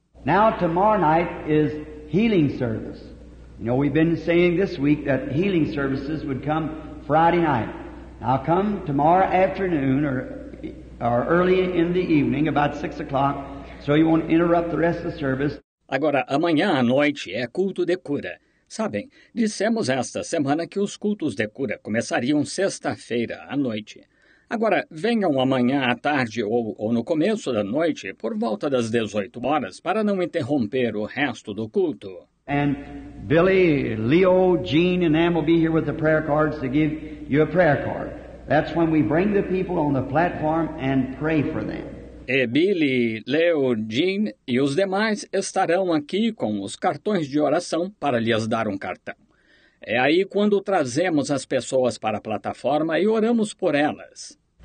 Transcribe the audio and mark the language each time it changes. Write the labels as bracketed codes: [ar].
[en] Now tomorrow night is healing service. You know, we've been saying this week that healing services would come Friday night. Now come tomorrow afternoon or early in the evening, about 6 o'clock, so you won't interrupt the rest of the service. [pt] Agora, amanhã à noite é culto de cura. Sabem, dissemos esta semana que os cultos de cura começariam sexta-feira à noite. Agora, venham amanhã à tarde ou no começo da noite, por volta das 18 horas, para não interromper o resto do culto. [en] And Billy, Leo, Gene, and Ann will be here with the prayer cards to give you a prayer card. That's when we bring the people on the platform and pray for them. [pt] E Billy, Leo, Gene e os demais estarão aqui com os cartões de oração para lhes dar um cartão. É aí quando trazemos as pessoas para a plataforma e oramos por elas.